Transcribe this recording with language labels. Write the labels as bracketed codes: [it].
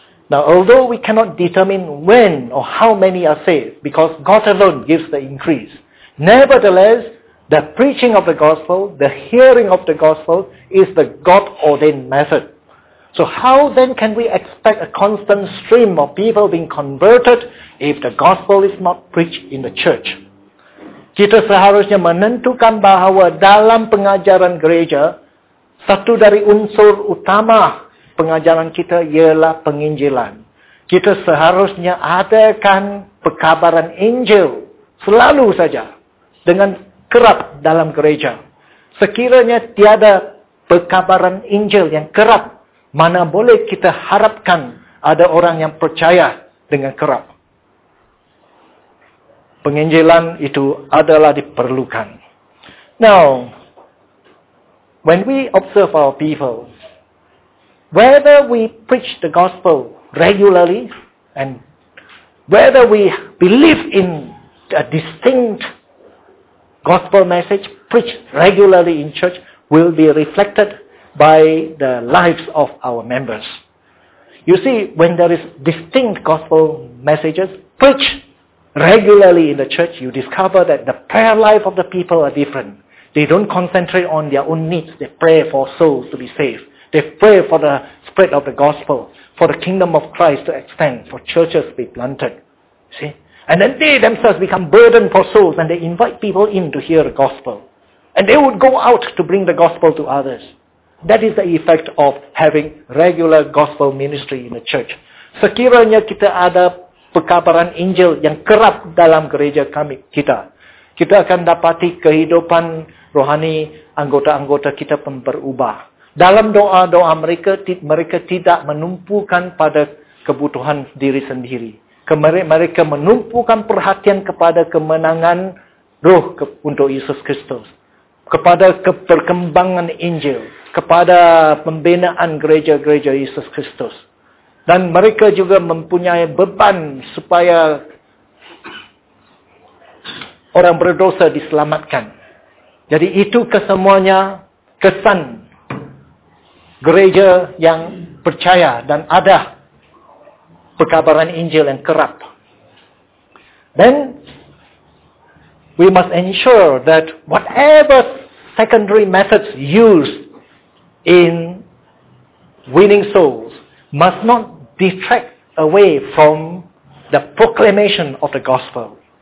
[en] Now, although we cannot determine when or how many are saved because God alone gives the increase, nevertheless, the preaching of the gospel, the hearing of the gospel is the God-ordained method. So how then can we expect a constant stream of people being converted if the gospel is not preached in the church? [ms] Kita seharusnya menentukan bahawa dalam pengajaran gereja, satu dari unsur utama pengajaran kita ialah penginjilan. Kita seharusnya adakan pekabaran Injil selalu saja dengan kerap dalam gereja. Sekiranya tiada pekabaran Injil yang kerap, mana boleh kita harapkan ada orang yang percaya dengan kerap. Penginjilan itu adalah diperlukan. [en] Now, when we observe our people, whether we preach the gospel regularly and whether we believe in a distinct gospel message preached regularly in church will be reflected by the lives of our members. You see, when there is distinct gospel messages preached regularly in the church, you discover that the prayer life of the people are different. They don't concentrate on their own needs. They pray for souls to be saved. They pray for the spread of the gospel, for the kingdom of Christ to extend, for churches to be planted. See? And then they themselves become burdened for souls and they invite people in to hear the gospel. And they would go out to bring the gospel to others. That is the effect of having regular gospel ministry in the church. [ms] Sekiranya kita ada pekabaran Injil yang kerap dalam gereja kami, kita akan dapati kehidupan rohani anggota-anggota kita pun berubah. Dalam doa-doa mereka tidak menumpukan pada kebutuhan diri sendiri. Mereka menumpukan perhatian kepada kemenangan roh untuk Yesus Kristus, kepada perkembangan Injil, kepada pembinaan gereja-gereja Yesus Kristus. Dan mereka juga mempunyai beban supaya orang berdosa diselamatkan. Jadi itu kesemuanya kesan gereja yang percaya dan ada pekabaran Injil yang kerap. [en] Then, we must ensure that whatever secondary methods used in winning souls must not detract away from the proclamation of the gospel.